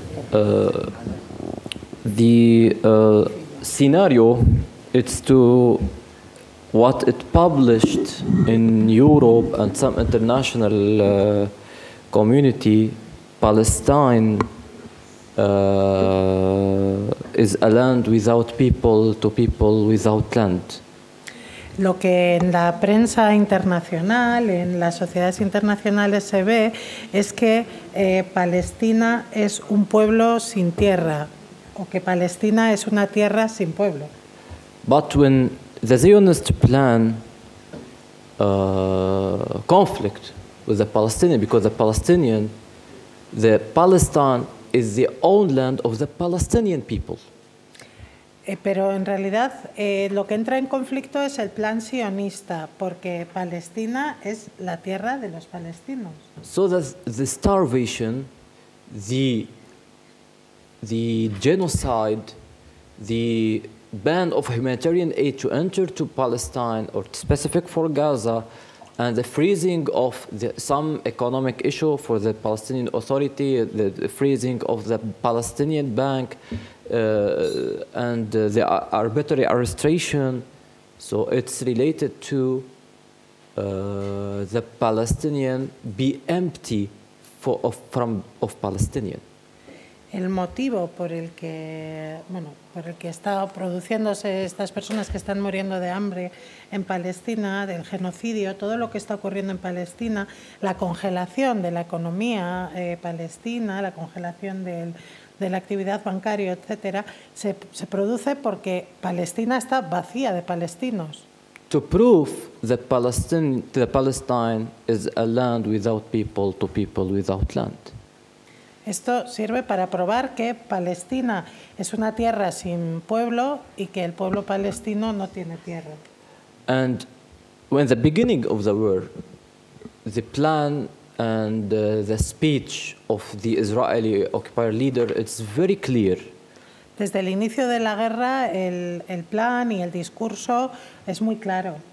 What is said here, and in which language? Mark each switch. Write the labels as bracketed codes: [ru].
[en] The scenario, it's to what it published in Europe and some international community, Palestine is a land without people, to people without land. [es] Lo que en la prensa internacional, en las sociedades internacionales se ve es que Palestina es un pueblo sin tierra, o que Palestina es una tierra sin pueblo. [en] But when the Zionist plan conflict with the Palestinian, because the Palestinian, the Palestine is the own land of the Palestinian people. [es] Pero en realidad lo que entra en conflicto es el plan sionista, porque Palestina es la tierra de los palestinos. [en] So that the starvation, the genocide, the ban of humanitarian aid to enter to Palestine or specific for Gaza, and the freezing of some economic issue for the Palestinian Authority, the freezing of the Palestinian bank, and the arbitrary arrestation, so it's related to the Palestinian be empty from Palestinian. [es] El motivo por el que, bueno, por el que está produciéndose estas personas que están muriendo de hambre en Palestina, del genocidio, todo lo que está ocurriendo en Palestina, la congelación de la economía palestina, la congelación de la actividad bancaria, etcétera, se produce porque Palestina está vacía de palestinos. [en] To prove that Palestine is a land without people, to people without land. [es] Esto sirve para probar que Palestina es una tierra sin pueblo y que el pueblo palestino no tiene tierra. [en] And when the beginning of the war, the plan and the speech of the Israeli occupier leader, it's very clear. [es] Desde el inicio de la guerra, el plan y el discurso es muy claro.